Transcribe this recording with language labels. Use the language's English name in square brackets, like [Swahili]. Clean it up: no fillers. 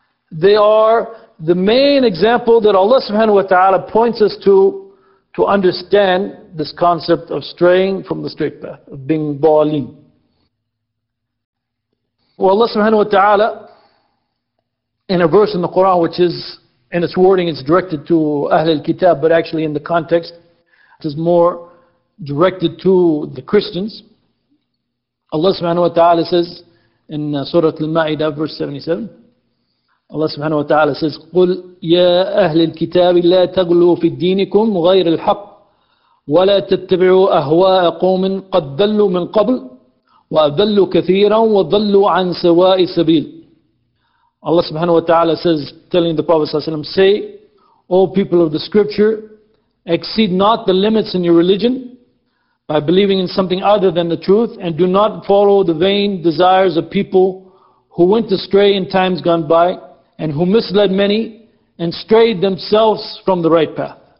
[English] They are the main example that Allah subhanahu wa ta'ala points us to understand this concept of straying from the straight path, of being dhalin. Well, Allah subhanahu wa ta'ala, in a verse in the Quran, which is, in its wording, it's directed to Ahl al-Kitab, but actually in the context, it is more directed to the Christians. Allah subhanahu wa ta'ala says [Arabic] in Surah Al-Ma'idah, verse 77, Allah subhanahu wa ta'ala says, قُلْ يَا أَهْلِ الْكِتَابِ لَا تَغْلُوا فِي الدِّينِكُمْ غَيْرِ الْحَقِّ وَلَا تَتَّبِعُوا أَهْوَاءَ قَوْمٍ قَدْ ضَلُّوا مِنْ قَبْلِ وَأَضَلُّوا كَثِيرًا وَضَلُّوا عَنْ سَوَاءِ السَّبِيلِ. [English] Allah subhanahu wa ta'ala says, telling the Prophet sallallahu alayhi wa sallam, say, O people of the scripture, exceed not the limits in your religion by believing in something other than the truth, and do not follow the vain desires of people who went astray in times gone by and who misled many and strayed themselves from the right path.